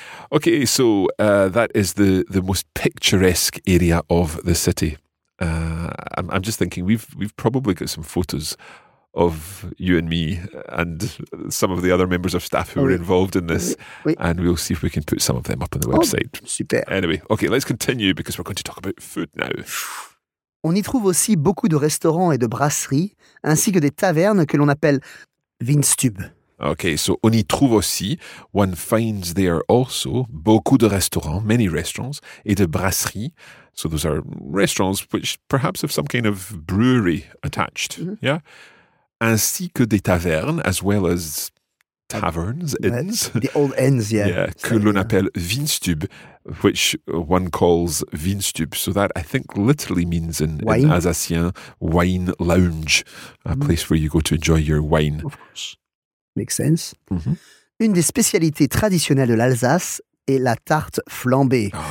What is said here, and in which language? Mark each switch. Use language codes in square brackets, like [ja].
[en] OK, so that is the most picturesque area of the city. I'm just thinking, we've probably got some photos of you and me and some of the other members of staff who were involved in this. [fr] Oui. [en] And we'll see if we can put some of them up on the website. Oh, super. Anyway, okay, let's continue because we're going to talk about food now. [fr] On y trouve aussi beaucoup de restaurants et de brasseries, ainsi que des tavernes que l'on appelle Winstube. [en] Okay, so [fr] on y trouve aussi, [en] one finds there also, [fr] beaucoup de restaurants, [en] many restaurants, [fr] et de brasseries. [en] So those are restaurants which perhaps have some kind of brewery attached, mm-hmm. yeah? [fr] Ainsi que des tavernes, [en] as well as taverns, inns. The old inns, yeah. Yeah, [fr] que l'on appelle Winstube, [en] which one calls Winstube. So that, I think, literally means in Alsacien, wine lounge, a place where you go to enjoy your wine. Of course. Makes sense. Mm-hmm. [fr] Une des spécialités traditionnelles de l'Alsace est la tarte flambée.